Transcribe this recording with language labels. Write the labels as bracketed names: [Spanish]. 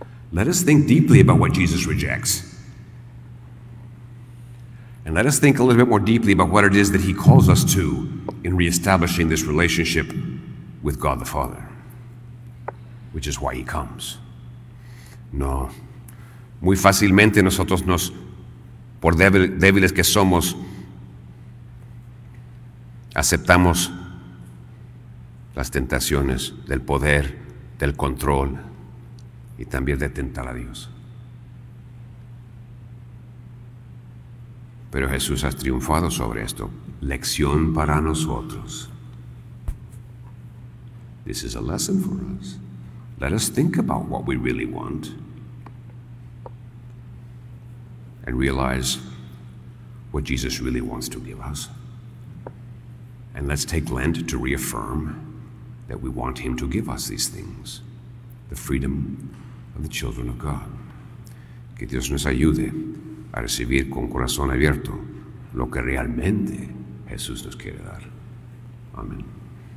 [English] Let us think deeply about what Jesus rejects. And let us think a little bit more deeply about what it is that he calls us to in reestablishing this relationship with God the Father. Which is why he comes. No. [Spanish] Muy fácilmente nosotros nos, por débiles que somos, aceptamos las tentaciones del poder, del control, y también de tentar a Dios. Pero Jesús ha triunfado sobre esto. Lección para nosotros. [English] This is a lesson for us. Let us think about what we really want and realize what Jesus really wants to give us. And let's take Lent to reaffirm that we want him to give us these things, the freedom of the children of God. [Spanish] Que Dios nos ayude a recibir con corazón abierto lo que realmente Jesús nos quiere dar. Amen.